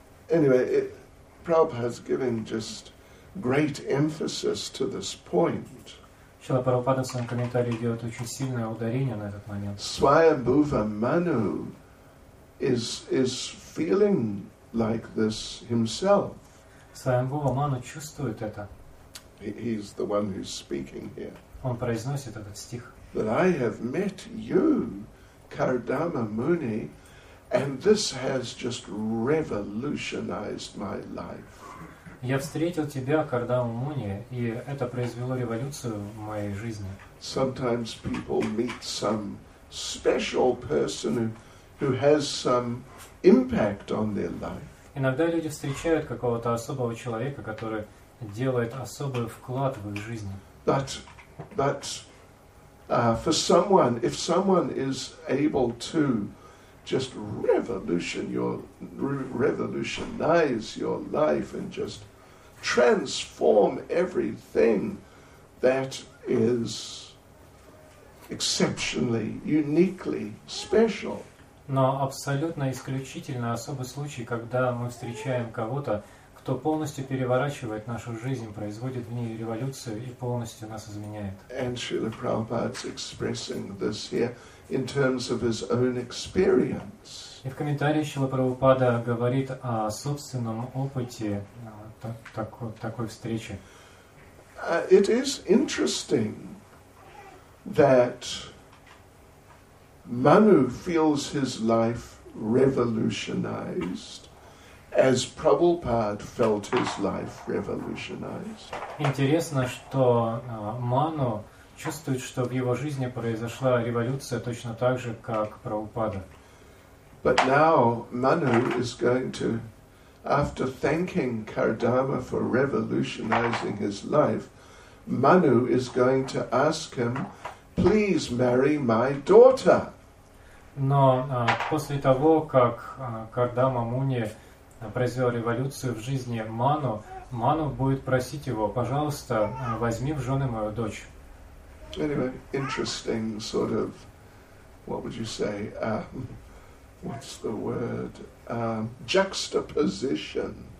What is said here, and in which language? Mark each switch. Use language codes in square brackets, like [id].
[en] Anyway, Prabhupada has given just great emphasis to this point. [ru] Шрила Прабхупада в своем комментарии делает очень сильное ударение на этот момент. [en] Свайабхува Ману is feeling like this himself. [ru] Свайабхува Ману чувствует это. [en] He's the one who's speaking here. [ru] Он произносит этот стих. [en] That I have met you, Кардама Муни, and this has just revolutionized my life. [ru] Я встретил тебя, Кардама Муни, и это произвело революцию в моей жизни. [en] Sometimes people meet some special person who has some impact on their life. [ru] Иногда люди встречают какого-то особого человека, который делает особый вклад в их жизнь. [en] For someone, if someone is able to just revolutionize your life and just transform everything, that is exceptionally, uniquely special. [ru] Но абсолютно исключительно особый случай, когда мы встречаем кого-то, кто полностью переворачивает нашу жизнь, производит в ней революцию и полностью нас изменяет. [en] And Srila Prabhupada's expressing this here in terms of his own experience. [ru] И в комментарии Шрила Прабхупада говорит о собственном опыте такой встречи. [en] It is interesting that Manu feels his life revolutionized as Prabhupada felt his life revolutionized. [ru] Интересно, что Ману чувствует, что в его жизни произошла революция точно так же, как Прабхупада. [en] But now Manu is going to, after thanking Kardama for revolutionizing his life, Manu is going to ask him, please marry my daughter. [ru] Но после того, как Кардама Муни произвел революцию в жизни Ману, Ману будет просить его, пожалуйста, возьми в жены мою дочь. [en] Anyway, interesting sort of, what would you say, what's the word, juxtaposition.